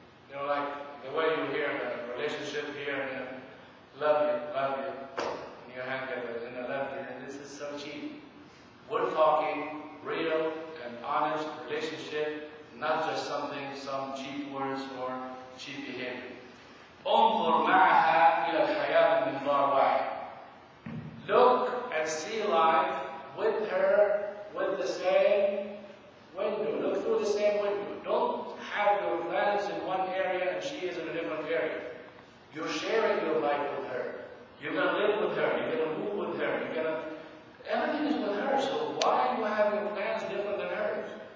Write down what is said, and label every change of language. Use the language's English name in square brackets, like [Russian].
[English] You know, like the way you hear in a relationship here and then, love you, and you hang it and I love you. This is so cheap. We're talking real and honest relationship, not just something, some cheap words or cheap behavior. [Arabic] انظر معها إلى الحياة من دار واحد. [English] Look and see life with her with the same window. Look through the same window. Don't have your plans in one area and she is in a different area. You're sharing your life with her. You're going to live with her. You're going to move with her. You're going to. Everything is with her, so why are you having plans different than hers?